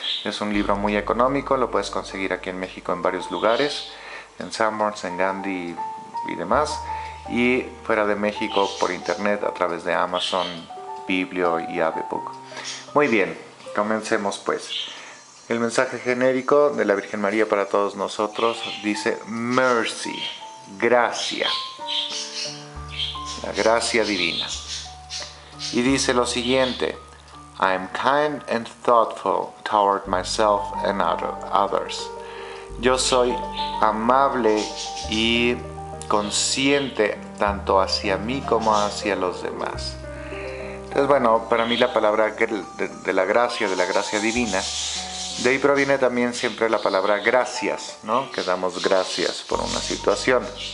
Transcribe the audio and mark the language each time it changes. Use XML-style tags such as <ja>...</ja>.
<es>Es un libro muy económico, lo puedes conseguir aquí en México en varios lugares, en Sanborns, en Gandhi y demás, y fuera de México por internet a través de Amazon, Biblio y Avebook. Muy bien, comencemos pues. El mensaje genérico de la Virgen María para todos nosotros dice Mercy, gracia, la gracia divina.</es> <en>Y dice lo siguiente: I am kind and thoughtful toward myself and others.</en> <es>Yo soy amable y consciente tanto hacia mí como hacia los demás. Entonces, bueno, para mí la palabra de la gracia divina, de ahí proviene también siempre la palabra gracias, ¿no? Que damos gracias por una situación.</es>